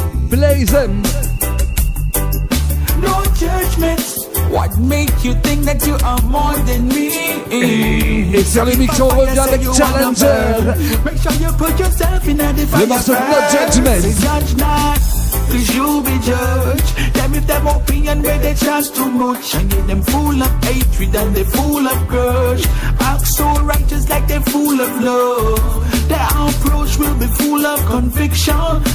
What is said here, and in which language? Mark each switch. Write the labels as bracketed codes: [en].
[en] Blaze him. No judgment. What make you think that you are more than me? [fr] Et sur les mix, on revient avec Challenger. [en] Make sure you put yourself in a defense. [fr] Le morceau No Judgment. [en] Judge not, cause you'll be judged. Them if them opinion where they trust too much. And get them full of hatred and they full of grudge. Act so righteous like they full of love. Their approach will be full of conviction.